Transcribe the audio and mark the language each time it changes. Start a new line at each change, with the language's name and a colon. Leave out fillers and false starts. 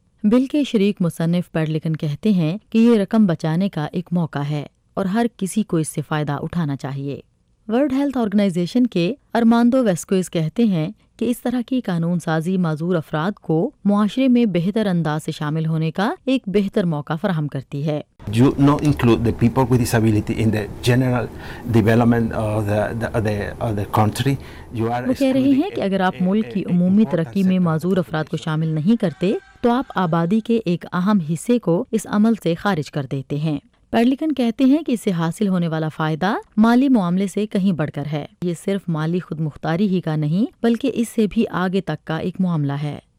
Urdu: بل کے شریک مصنف پیڈلکن کہتے ہیں کہ یہ رقم بچانے کا ایک موقع ہے اور ہر کسی کو اس سے فائدہ اٹھانا چاہیے۔ ورلڈ ہیلتھ آرگنائزیشن کے ارماندو ویسکوئز کہتے ہیں کہ اس طرح کی قانون سازی معذور افراد کو معاشرے میں بہتر انداز سے شامل ہونے کا ایک بہتر موقع فراہم کرتی ہے۔
English: Do not include the people with disability in the general development of the country. You are
Urdu: وہ کہہ رہے ہیں کہ اگر آپ ملک کی عمومی ترقی میں معذور افراد کو شامل نہیں کرتے تو آپ آبادی کے ایک اہم حصے کو اس عمل سے خارج کر دیتے ہیں۔ پیڈلکن کہتے ہیں کہ اس سے حاصل ہونے والا فائدہ مالی معاملے سے کہیں بڑھ کر ہے۔ یہ صرف مالی خود مختاری ہی کا نہیں بلکہ اس سے بھی آگے تک کا ایک معاملہ ہے۔